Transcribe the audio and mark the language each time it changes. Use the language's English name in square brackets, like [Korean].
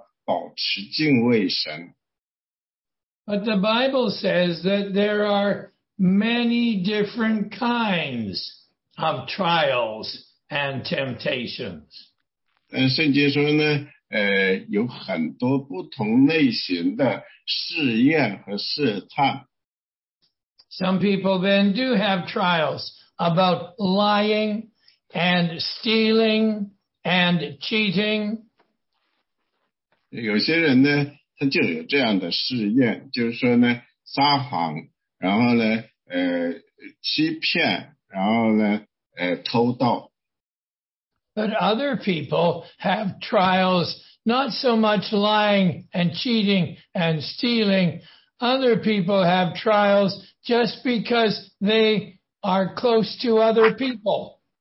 [Chinese] 这里讲到的呢，就是雅各书里讲到的呢，这个主题就是说，如果你有试验的话呢，不要陷入那个试探。所以呢，就算是你的试验越来越大，你还是不要陷入试探，你要保持敬畏神。 [English] But the Bible says that there are many different kinds of trials and temptations. [Chinese] 圣经说呢，有很多不同类型的试验和试探。 [English] Some people then do have trials about lying and stealing and cheating. [Chinese] 有些人呢，他就有这样的试验，就是说呢，撒谎，然后呢。欺骗，然后呢，偷盗。 [English] But other people have trials, not so much lying and cheating and stealing. Other people have trials just because they are close to other people.